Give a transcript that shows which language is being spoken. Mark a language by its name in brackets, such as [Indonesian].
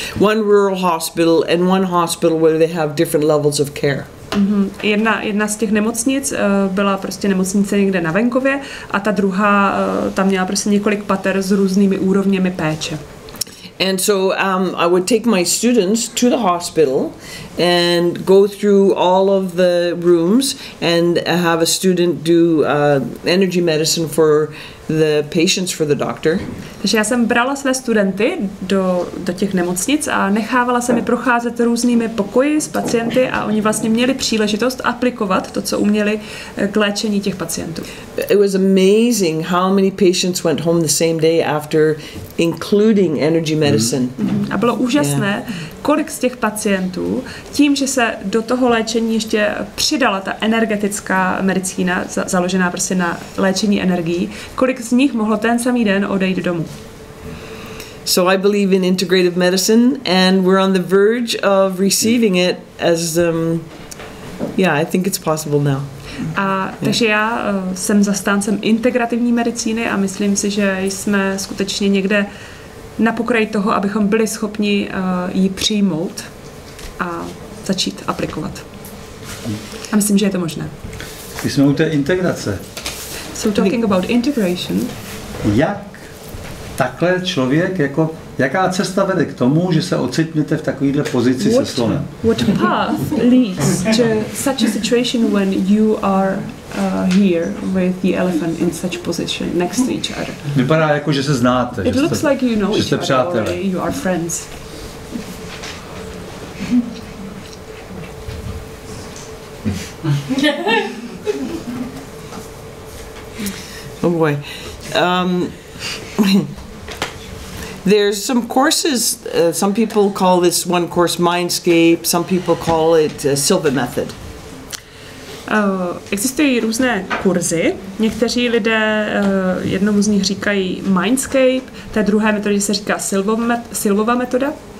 [English] One rural hospital and one hospital where they have different levels of care. Mm-hmm. [Czech] Jedna z těch nemocnic byla prostě nemocnice někde na venkově a ta druhá tam měla prostě několik pater s různými úrovněmi péče. [English] And so I would take my students to the hospital and go through all of the rooms and have a student do energy medicine for the patients for the doctor. [Czech] Takže já jsem brala své studenty do těch nemocnic a nechávala se mi procházet různými pokoji s pacienty a oni vlastně měli příležitost aplikovat to, co uměli k léčení těch pacientů. [English] It was amazing how many patients went home the same day after including energy medicine. Mm-hmm. [Czech] A bylo úžasné, kolik z těch pacientů tím, že se do toho léčení ještě přidala ta energetická medicína, založená prostě na léčení energií, kolik z nich mohlo ten samý den odejít domů. [English] So I believe in integrative medicine and we're on the verge of receiving it as I think it's possible now. [Czech] Takže já jsem zastáncem integrativní medicíny a myslím si, že jsme skutečně někde na pokraji toho, abychom byli schopni ji přijmout a začít aplikovat. A myslím, že je to možné. My jsme u té integrace. [English] So talking about integration. [Czech] Jak takhle člověk, jako, jaká cesta vede k tomu, že se ocitnete v takovéhle pozici se slonem? [English] What path leads to such a situation when you are here with the elephant in such position next to each other? [Czech] Vypadá jako, že se znáte, [English] it looks like you know each other already, you are friends. Oh boy. There's some courses, some people call this one course Mindscape, some people call it Silva Method. [Czech] Existují různé kurzy. Někteří lidé, jednomu z nich říkají Mindscape, té druhé metody se říká Silvova metoda.